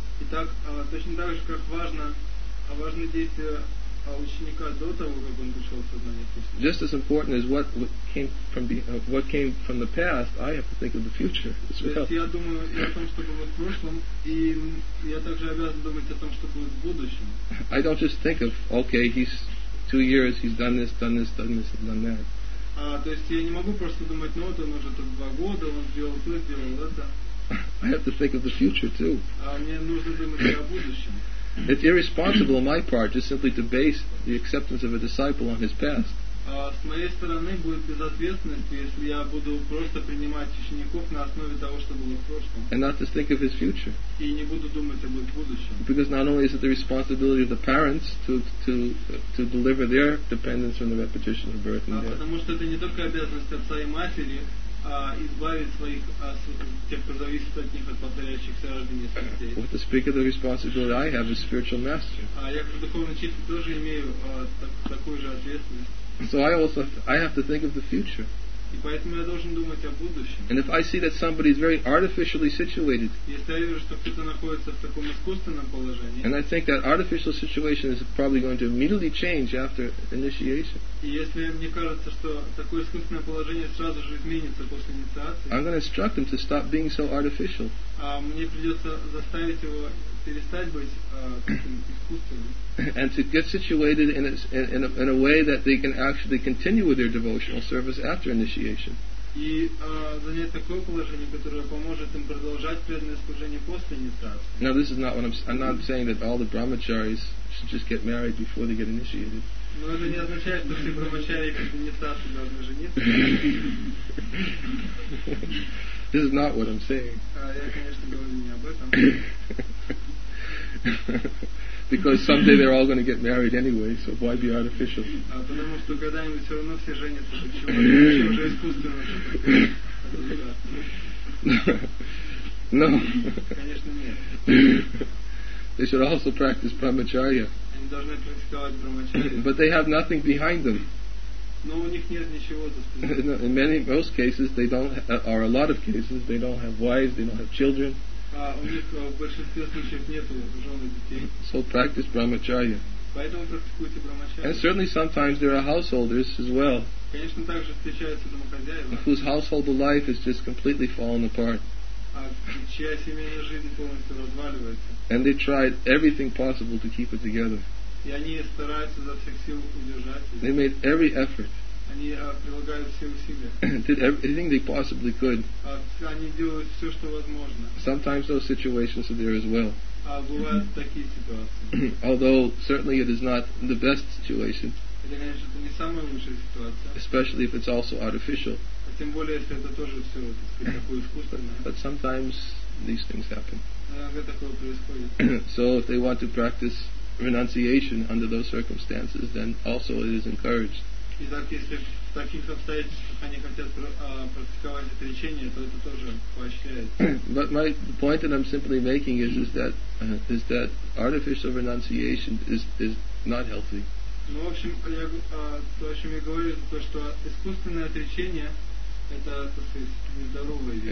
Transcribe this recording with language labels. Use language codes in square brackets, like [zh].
[ru] Итак, точно так же, как важны действия ученика до того, как он пришел в сознание Кришны. [en] Just as important as what came from the past, I have to think of the future as well. [ru] То есть я думаю и о том, что было в прошлом, и я также обязан думать о том, что будет в будущем. [en] I don't just think of, okay, he's 2 years, he's done this, and done that. [ru] То есть я не могу просто думать, ну вот он уже тут 2 года, он сделал то, сделал это. [en] I have to think of the future too. [ru] Мне нужно думать и о будущем. [en] It's irresponsible on my part just simply to base the acceptance of a disciple on his past. [ru] С моей стороны будет безответственность, если я буду просто принимать учеников на основе того, что было в прошлом. [en] And not to think of his future. [ru] И не буду думать об их будущем. [en] Because not only is it the responsibility of the parents to deliver their dependents from the repetition of birth and death. [ru] Потому что это не только обязанность отца и матери, избавить своих тех, кто зависит от них, от повторяющихся рождений смертей. [en] What to speak of the responsibility I have as spiritual master. [ru] Я как духовный учитель тоже имею такую же ответственность. [en] So I have to think of the future. [ru] И поэтому я должен думать о будущем. [en] And if I see that somebody is very artificially situated. [ru] Если я вижу, что кто-то находится в таком искусственном положении. [en] And I think that artificial situation is probably going to immediately change after initiation. [ru] И если мне кажется, что такое искусственное положение сразу же изменится после инициации. [en] I'm going to instruct him to stop being so artificial. [ru] Мне придется заставить его перестать быть искусственным. [en] And to get situated in a way that they can actually continue with their devotional service after initiation. [ru] И занять такое положение, которое поможет им продолжать преданное служение после инициации. [en] Now this is not what I'm not saying that all the brahmacharis should just get married before they get initiated. [ru] Но это не означает, что все брахмачари после инициации должны жениться. [en] This is not what I'm saying. [ru] Я, конечно, говорю не об этом. [en] Because someday they're all going to get married anyway, so why be artificial? [ru] Потому что когда-нибудь все равно все женятся, почему уже искусственно? [en] No. [ru] Конечно нет. [en] They should also practice brahmacharya. [ru] Они должны практиковать брахмачарья. [en] But they have nothing behind them. [ru] Но у них нет ничего за спиной. [en] In many most cases, they don't, or a lot of cases, they don't have wives, they don't have children. [ru] У них в большинстве случаев нету жены и детей. [en] So practice brahmacharya. [ru] Поэтому практикуйте брахмачарья. [en] And certainly sometimes there are householders as well. [ru] Конечно, также встречаются домохозяева. [en] Whose household life is just completely falling apart. [ru] Чья семейная жизнь полностью разваливается. [en] And they tried everything possible to keep it together. [ru] И они стараются изо всех сил удержать ее. [en] They made every effort. [ru] Они прилагают все усилия. [en] Did everything they possibly could. [ru] Они делают все, что возможно. [en] Sometimes those situations are there as well. [ru] Бывают такие ситуации. [en] Although certainly it is not the best situation. [ru] Это, конечно, это не самая лучшая ситуация. [en] Especially if it's also artificial. [ru] А тем более, если это тоже все, так сказать, такое искусственное. [en] But sometimes these things happen. [ru] Иногда такое происходит. [en] So if they want to practice renunciation under those circumstances, then also it is encouraged. [ru] Итак, если в таких обстоятельствах они хотят практиковать отречение, то это тоже поощряется. [en] But my point that I'm simply making is that artificial renunciation is not healthy. [ru] Ну, в общем, я то, о чем я говорю, это то, что искусственное отречение это, так сказать, нездоровая вещь.